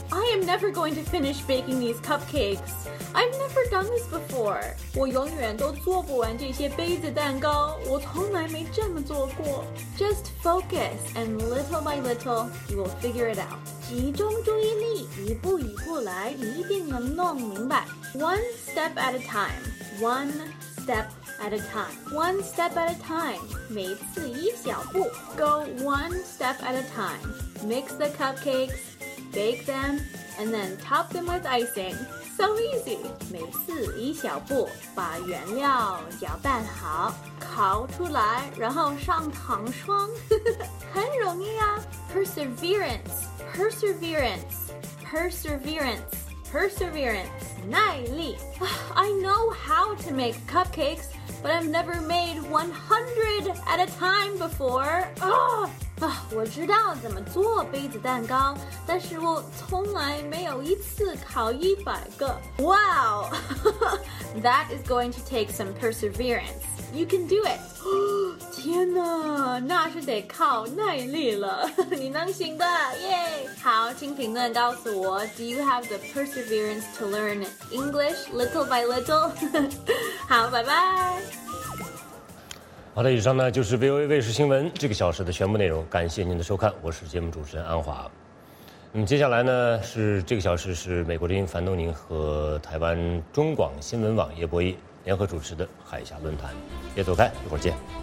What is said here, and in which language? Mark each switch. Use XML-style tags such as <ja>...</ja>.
<en>I am never going to finish baking these cupcakes. I've never done this before.</en> <zh>我永远都做不完这些杯子蛋糕，我从来没这么做过。</zh> <en>Just focus, and little by little, you will figure it out.</en> <zh>集中注意力，一步一步来，你一定能弄明白。</zh> <en>One step at a time. One step at a time. One step at a time.</en> <zh>每次一小步。</zh> <en>Go one step at a time. Mix the cupcakes, bake them, and then top them with icing. So easy!</en> <zh>每次一小步，把原料搅拌好，烤出来，然后上糖霜，很容易啊。</zh> <en>Perseverance, perseverance, perseverance, perseverance, 耐力。 I know how to make cupcakes, but I've never made 100 at a time before. Ugh!</en> <zh>我知道怎么做杯子蛋糕，但是我从来没有一次烤一百个。</zh> <en>Wow! That is going to take some perseverance. You can do it!</en> <zh>天哪，那是得靠耐力了。你能行的，耶！好，请评论告诉我</zh> <en>,Do you have the perseverance to learn English little by little?</en> <zh>好，拜拜。好的，以上呢就是 VOA 卫视新闻这个小时的全部内容，感谢您的收看，我是节目主持人安华。那么接下来呢是这个小时是美国之音樊东宁和台湾中广新闻网叶博弈联合主持的海峡论坛，别走开，一会儿见。</zh>